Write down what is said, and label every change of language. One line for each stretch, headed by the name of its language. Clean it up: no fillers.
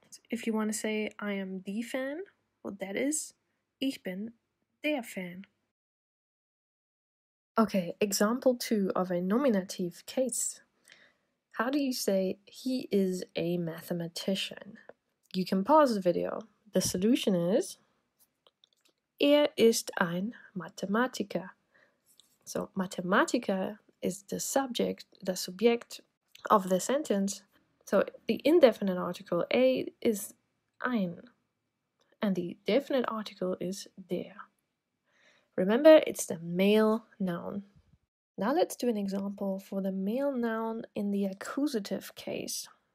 English: If you want to say I am the fan, well, that is
German: ich bin der Fan.
English: Okay, example two of a nominative case. How do you say he is a mathematician? You can pause the video. The solution is
German: ist ein Mathematiker.
English: So Mathematiker is the subject, the subject of the sentence. So the indefinite article a is ein, and the definite article is der. Remember, it's the male noun. Now let's do an example for the male noun in the accusative case.